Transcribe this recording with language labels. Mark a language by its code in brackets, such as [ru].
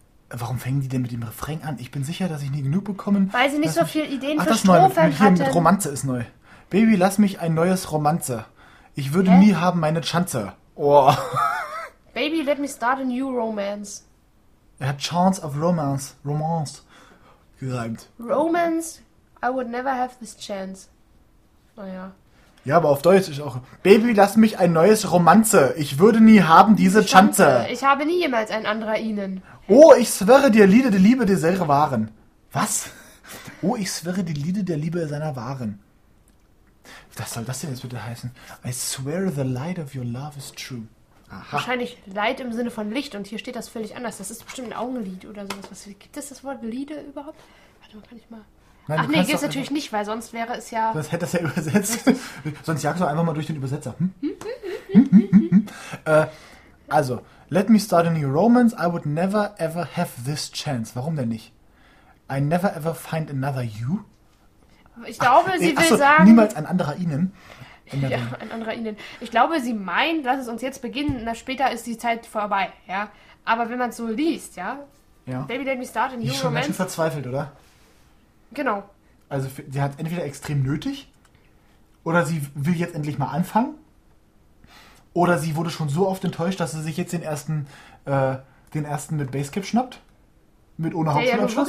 [de] Warum fängen die denn mit dem Refrain an? Ich bin sicher, dass ich nie genug bekommen. Weil sie nicht so viele Ideen für Strophen hatten. Ach, das hier mit Romanze ist neu. Baby, lass mich ein neues Romanze. Ich würde nie haben meine Chance. Oh. [en] Baby, let me start a new romance. [de] Er hat [en] Chance of Romance. [de] Romance. Gereimt. [en] Romance, I would never have this chance. [de] Naja. Oh, ja, aber auf Deutsch ist auch... Baby, lass mich ein neues Romanze. Ich würde nie haben diese Chance. Ich habe nie jemals ein anderer ihnen. Oh, ich schwöre dir, Lieder der Liebe, die selber waren. Was? Oh, ich schwöre die Lieder der Liebe seiner waren. Was soll das denn jetzt bitte heißen? [en] I swear the light of your love is true. [de] Aha. Wahrscheinlich Leid im Sinne von Licht und hier steht das völlig anders. Das ist bestimmt ein Augenlied oder sowas. Was, gibt es das Wort Lieder überhaupt? Warte mal, kann ich mal... Nein, ach nee, gibt es natürlich nicht, weil sonst wäre es ja... Sonst hätte das ja übersetzt. Sonst jagst du einfach mal durch den Übersetzer. [en] Also, let me start a new romance. I would never ever have this chance. [de] Warum denn nicht? [en] I never ever find another you. [de] Ich glaube, sagen... Niemals ein anderer ihnen. Ja, ein anderer ihnen. Ich glaube, sie meint, lass es uns jetzt beginnen, na, später ist die Zeit vorbei, ja. Aber wenn man es so liest, ja? Ja. [en] Baby, let me start a new romance. [de] Die ist schon ganz schön verzweifelt, oder? Genau. Also, sie hat entweder extrem nötig, oder sie will jetzt endlich mal anfangen, oder sie wurde schon so oft enttäuscht, dass sie sich jetzt den ersten mit Basecap schnappt, mit ohne Hauptschulabschluss.